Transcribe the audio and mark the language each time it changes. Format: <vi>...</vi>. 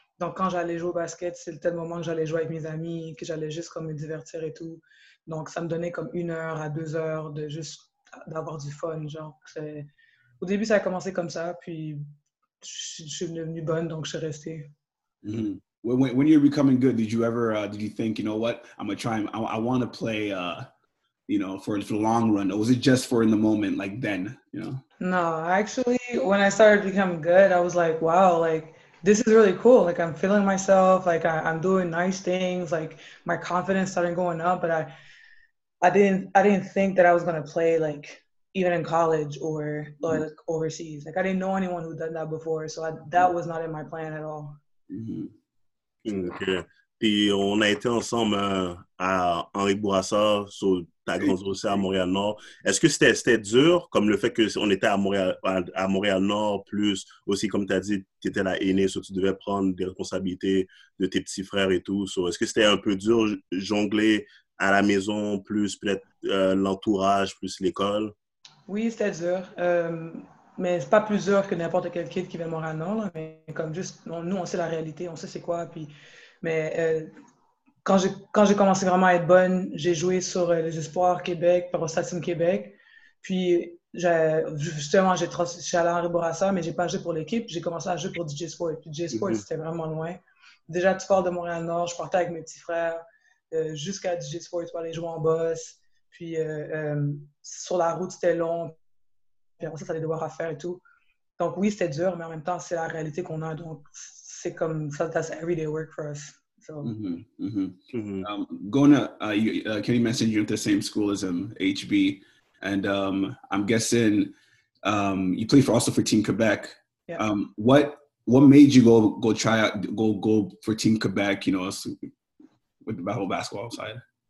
<fr>Donc, quand j'allais jouer au basket, c'était le moment que j'allais jouer avec mes amis, que j'allais juste comme me divertir et tout. Donc, ça me donnait comme une heure à deux heures de juste d'avoir du fun. Genre, c'est... Au début, ça a commencé comme ça, puis je suis devenue bonne, donc je suis restée. Mm-hmm.</fr> <en>When you're becoming good, did you think, you know what, I'm gonna try, I want to play, you know, for the long run, or was it just for in the moment, like then, you know? No, actually, when I started becoming good, I was like, wow, like, this is really cool, like, I'm feeling myself, like, I'm doing nice things, like, my confidence started going up, but I didn't think that I was gonna play, like, even in college or like overseas. Like, I didn't know anyone who'd done that before, so that was not in my plan at all. Mm-hmm. Okay.</en> <fr>Puis on a été ensemble à Henri Bourassa, so ta grande aussi à Montréal-Nord. Est-ce que c'était dur, comme le fait qu'on était à Montréal-Nord, plus aussi, comme tu as dit, tu étais la aînée, so tu devais prendre des responsabilités de tes petits frères et tout. So, est-ce que c'était un peu dur jongler à la maison, plus peut-être l'entourage, plus l'école? Oui, c'était dur. Mais c'est pas plus dur que n'importe quel kid qui vient de Montréal, là. Mais comme juste, nous, on sait la réalité, on sait c'est quoi. Puis, mais quand j'ai commencé vraiment à être bonne, j'ai joué sur les Espoirs Québec, Parostatim Québec. Puis, j'ai allé à Henri Bourassa, mais j'ai pas joué pour l'équipe. J'ai commencé à jouer pour DJ Sport. Puis, DJ Sport, mm-hmm. c'était vraiment loin. Déjà, tu pars de Montréal-Nord, je partais avec mes petits frères jusqu'à DJ Sport pour aller jouer en boss. Puis, sur la route, c'était long. Puis après ça, t'allais devoir à faire et tout. Donc oui, c'était dur, mais en même temps, c'est la réalité qu'on a. Donc, c'est comme,</fr> <en>that's everyday work for us. So. Mm-hmm. Mm-hmm. Kenny mentioned you went to the same school as him, HB. And I'm guessing you played also for Team Quebec. Yeah. What made you go try out for Team Quebec, you know, with the whole basketball side?</en>